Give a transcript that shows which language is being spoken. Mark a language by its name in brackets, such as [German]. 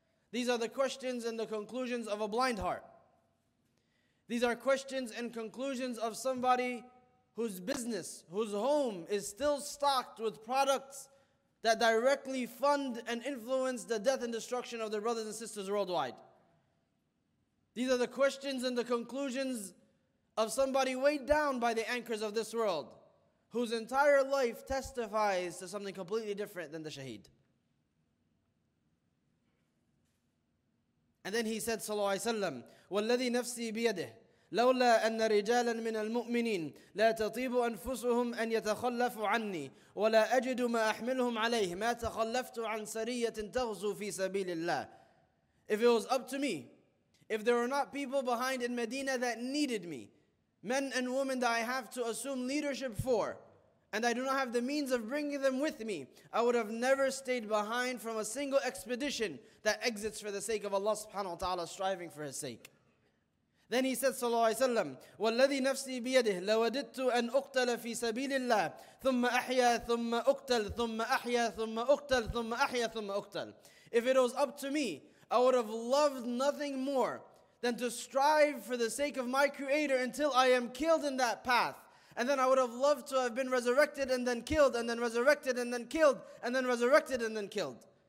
[English] These are the questions and the conclusions of a blind heart. These are questions and conclusions of somebody whose business, whose home is still stocked with products that directly fund and influence the death and destruction of their brothers and sisters worldwide. These are the questions and the conclusions of somebody weighed down by the anchors of this world, whose entire life testifies to something completely different than the shaheed. And then he said, [Arabic] sallallahu alayhi wa sallam, وَالَّذِي نَفْسِي بِيَدِهِ لَوْلَا أَنَّ رِجَالًا مِنَ الْمُؤْمِنِينَ لَا تَطِيبُ أَنفُسُهُمْ أَنْ يَتَخَلَّفُوا عَنِّي وَلَا أَجِدُ مَا أَحْمِلْهُمْ عَلَيْهِ مَا تَخَلَّفْتُ عَنْ سَرِيَّةٍ تَغْزُو فِي سَبِيلِ اللَّهِ. [English] If it was up to me, if there were not people behind in Medina that needed me, men and women that I have to assume leadership for, and I do not have the means of bringing them with me, I would have never stayed behind from a single expedition that exits for the sake of Allah subhanahu wa ta'ala, striving for His sake. Then he said, [Arabic] sallallahu alayhi wa sallam, وَالَّذِي نَفْسِي بِيَدِهِ لَوَدِدْتُ أَنْ أُقْتَلَ فِي سَبِيلِ اللَّهِ ثُمَّ أَحْيَا ثُمَّ أُقْتَلْ ثُمَّ أَحْيَا ثُمَّ أُقْتَلْ ثُمَّ أَحْيَا ثُمَّ أُقْتَلْ. [English] If it was up to me, I would have loved nothing more than to strive for the sake of my Creator until I am killed in that path. And then I would have loved to have been resurrected and then killed and then resurrected and then killed and then resurrected and then killed.